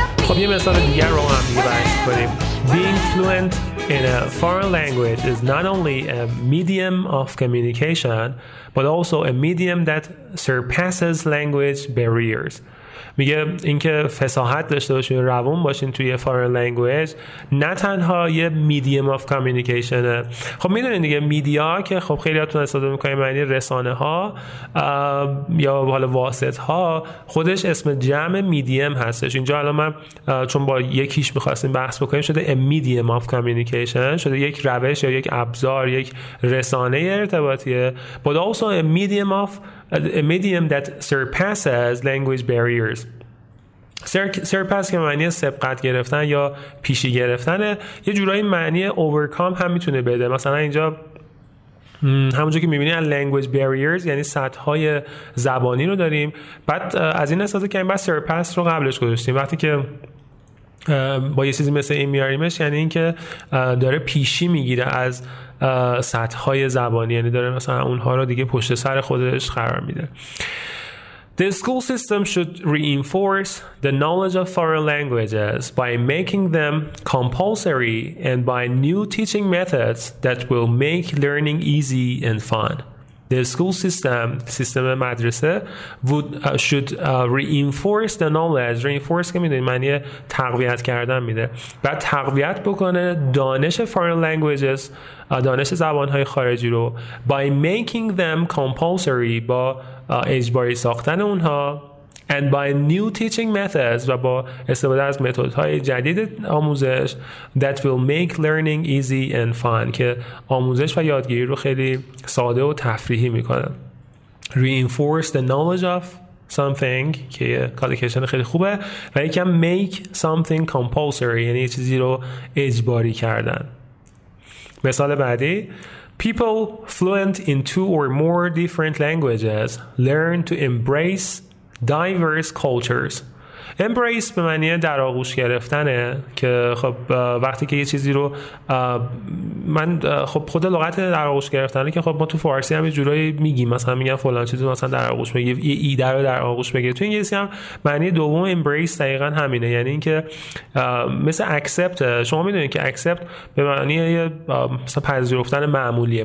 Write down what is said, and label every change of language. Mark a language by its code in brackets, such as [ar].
[fa] اپیزود دیگر رو هم دیگه بحث کنیم. [en] Being fluent in a foreign language is not only a medium of communication but also a medium that surpasses language barriers. [fa] میگه اینکه فصاحت داشته باشین، روان باشین توی foreign language نه تنها یه [en] medium of communication [fa] ه. خب میدونین دیگه میدیا که خب خیلیاتون استفاده میکنین، معنی رسانه ها یا حالا واسط ها، خودش اسم جمع medium هستش. اینجا الان من چون با یکیش میخواستیم بحث بکنیم شده a medium of communication، شده یک روش یا یک ابزار، یک رسانه ارتباطیه. [en] but also a medium of a medium that surpasses language barriers. [fa] Surpass که معنی سبقت گرفتن یا پیشی گرفتنه، یه جورایی معنی overcome هم میتونه بده. مثلا اینجا همونجا که میبینی language barriers یعنی سطح‌های زبانی رو داریم، بعد از این استفاده کردیم، بعد surpass رو قبلش گذاشتیم. وقتی که با یه چیزی مثل این میاریمش، یعنی این که داره پیشی میگیره از سطح‌های زبانی، یعنی داره مثلا اونها رو دیگه پشت سر خودش قرار میده. [en] The school system should reinforce the knowledge of foreign languages by making them compulsory and by new teaching methods that will make learning easy and fun. The school system مدرسه should reinforce the knowledge. [fa] Reinforce که میدونی معنی تقویت کردن میده، بعد تقویت بکنه دانش foreign languages، دانش زبانهای خارجی رو، [en] by making them compulsory، [fa] با اجباری ساختن اونها، [en] and by new teaching methods، [fa] و با استفاده از متدهای جدید آموزش، [en] that will make learning easy and fun، [fa] که آموزش و یادگیری رو خیلی ساده و تفریحی میکنه. [en] reinforce the knowledge of something [fa] که کالیکیشن خیلی خوبه، و یکم [en] make something compulsory [fa] یعنی یه چیزی رو اجباری کردن. مثال بعدی، [en] people fluent in two or more different languages learn to embrace diverse cultures. [fa] Embrace به معنی در آغوش گرفتنه، که خب وقتی که یه چیزی رو من خب خود لغت در آغوش گرفتنه که خب ما تو فارسی هم یه جورایی میگیم، مثلا میگن فلان چیزی مثلا در آغوش بگیر، یه ایده رو در آغوش بگیر. تو انگلیسی هم معنی دوم embrace دقیقا همینه، یعنی این که مثل accept، شما میدونید که accept به معنی مثلا پذیرفتن معمولیه.